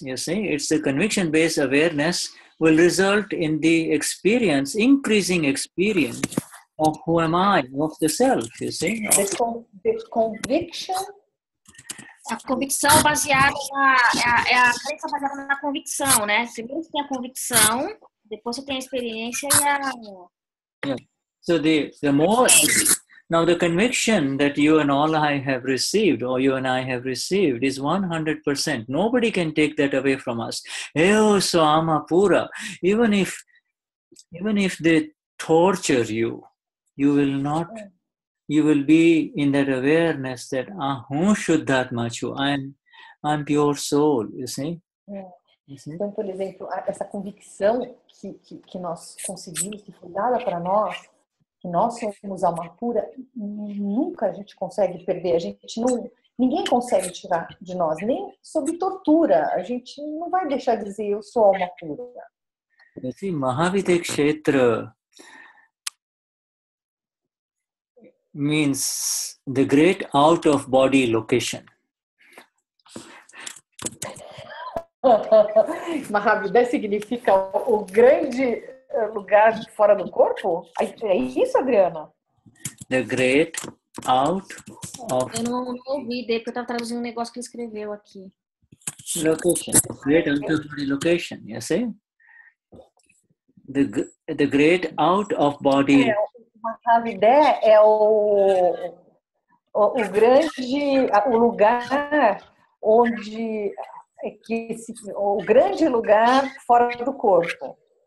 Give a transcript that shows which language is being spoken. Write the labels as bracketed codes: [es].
[en] You see, it's a conviction-based awareness will result in the experience, increasing experience of who am I, of the self, you see. The conviction. [pt] A convicção baseada na crença baseada na convicção, né? Primeiro você tem a convicção, depois você tem a experiência e a... [en] Yeah. So the more... Now, the conviction that you and all I have received, or you and I have received, is 100%. Nobody can take that away from us. [pt] Eu sou alma pura. [en] Even if they torture you, you will not, you will be in that awareness that [gu] Ahum Shuddhatma Chu, [en] I'm pure soul, you see? [pt] Então, por exemplo, essa convicção que nós conseguimos, que foi dada para nós, que nós somos alma pura, nunca a gente consegue perder, a gente não, ninguém consegue tirar de nós, nem sob tortura, a gente não vai deixar de dizer eu sou alma pura. [en] Esse Mahavidya Kshetra means the great out of body location. [pt] Mahavidya significa o grande lugar de fora do corpo? É isso, Adriana? [en] The great out of... [pt] Eu não ouvi, porque eu estava traduzindo um negócio que ele escreveu aqui. [en] Location. The great out of body location, you see? The great out of body... [pt] Uma chave ideia é o grande... O lugar onde... o grande lugar fora do corpo.